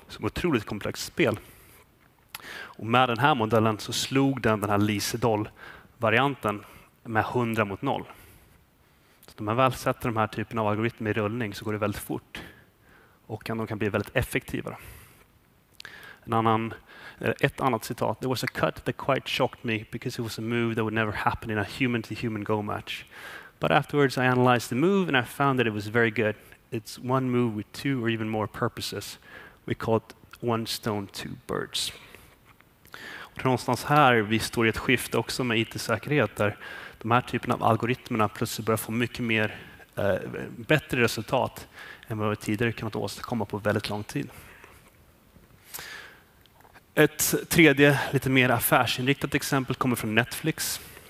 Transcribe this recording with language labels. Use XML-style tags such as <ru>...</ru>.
<sv>Så ett otroligt komplext spel. Och med den här modellen så slog den här Lee Sedol-varianten med 100-0. Så när man väl sätter de här typen av algoritmer i rullning så går det väldigt fort. Och de kan bli väldigt effektiva. Ett annat citat.</sv> <en>There was a cut that quite shocked me because it was a move that would never happen in a human-to-human Go match. But afterwards I analyzed the move and I found that it was very good. It's one move with two or even more purposes. We call it one stone, two birds.</en> <sv>Och någonstans här vi står i ett skifte också med IT-säkerhet där de här typen av algoritmerna plötsligt börjar få mycket mer bättre resultat än vad vi tidigare kunnat åstadkomma på väldigt lång tid. Ett tredje, lite mer affärsinriktat exempel kommer från Netflix.</sv>